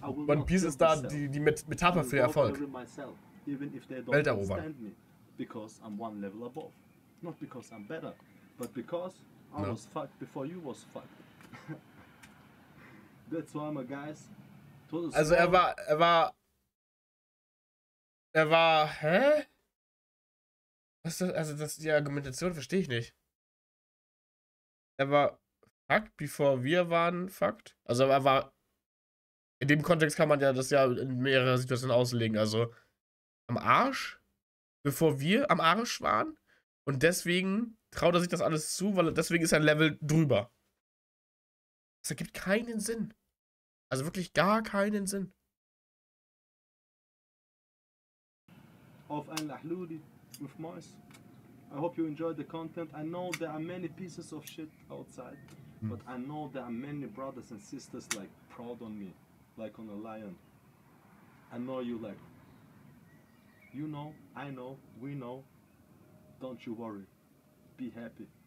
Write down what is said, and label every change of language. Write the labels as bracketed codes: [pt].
[de] One Piece ist da die Metapher für Erfolg. Welt erobern. [en] Because I'm one level above. Not because I'm better, but because I was fucked before you was fucked. That's why my guys. [de] Also er war. Hä? Was ist das? Also das, die Argumentation verstehe ich nicht. Er war [en] fucked before [de] wir waren [en] fucked. [de] Also er war. In dem Kontext kann man ja das ja in mehrere Situationen auslegen. Also am Arsch, bevor wir am Arsch waren. Und deswegen traut er sich das alles zu, weil deswegen ist er ein Level drüber. Das ergibt keinen Sinn. Also wirklich gar keinen Sinn. Auf ein Lahludi with Mois. [en] I hope you enjoy the content. I know there are many pieces of shit outside. But I know there are many brothers and sisters like proud on me. Like on a lion. I know you like. You know, I know, we know. Don't you worry. Be happy.